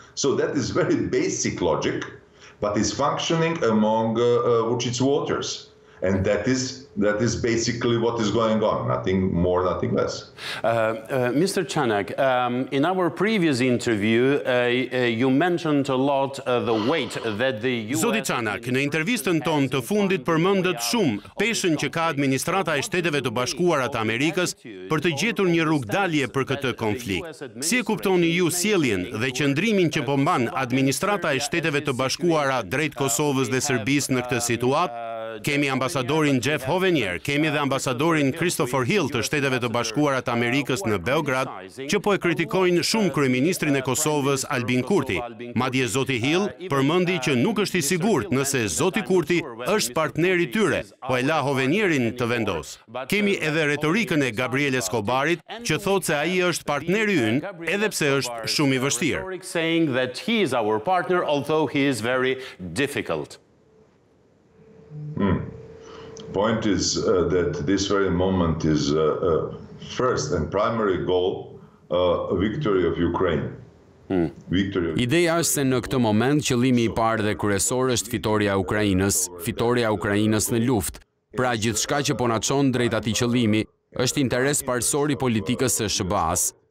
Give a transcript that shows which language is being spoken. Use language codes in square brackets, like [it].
[en] So that is very basic logic, but it's functioning among Vučić voters. And that is basically what is going on, nothing more, nothing less. Mr. Chanak, in our previous interview, you mentioned a lot the weight that the U.S. [sq] Zoti Chanak, në intervistën tonë të fundit përmendët shumë peshën që ka administrata e Shteteve të Bashkuara të Amerikës për të gjetur një rrugë dalje për këtë konflikt. Si e kuptoni ju sjelljen dhe qëndrimin që po mban administrata e Shteteve të Bashkuara drejt Kosovës dhe Serbisë në këtë situatë? Kemi ambasadorin Jeff Hovenier, kemi dhe ambasadorin Christopher Hill të Shteteve të Bashkuara të Amerikës në Beograd, që po e kritikojnë shumë kryeministrin e Kosovës Albin Kurti. Madje zoti Hill përmendi që nuk është i sigurt nëse zoti Kurti është partneri tyre, po e la Hovenierin të vendos. Kemi edhe retorikën e Gabriel Escobarit, që thotë se ai është partneri ynë, edhe pse është shumë i vështirë. [en] Saying that he is our partner although he is very difficult. Point is that this very moment is first and primary goal victory of Ukraine. [sq] Ideja është se në këtë moment qëllimi i parë dhe kryesor është fitoria e Ukrainës në luftë. Pra gjithçka që po na çon drejt atij qëllimi është interes parsor i politikës së SBA-s.